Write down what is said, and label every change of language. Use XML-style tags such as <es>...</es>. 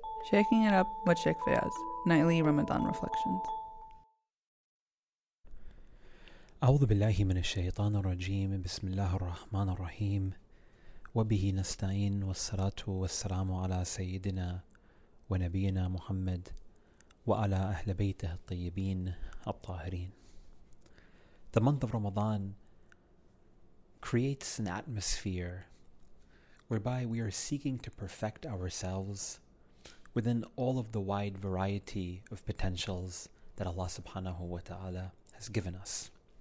<en>Shaking It Up with Sheikh Faiyaz, Nightly Ramadan Reflections.</en> <ar>أعوذ بالله من الشيطان الرجيم بسم الله الرحمن الرحيم وبه نستعين والصلاة والسلام على سيدنا ونبينا محمد وعلى أهل بيته الطيبين الطاهرين.</ar> <en>The month of Ramadan creates an atmosphere whereby we are seeking to perfect ourselves within all of the wide variety of potentials that Allah subhanahu wa ta'ala has given us.</en>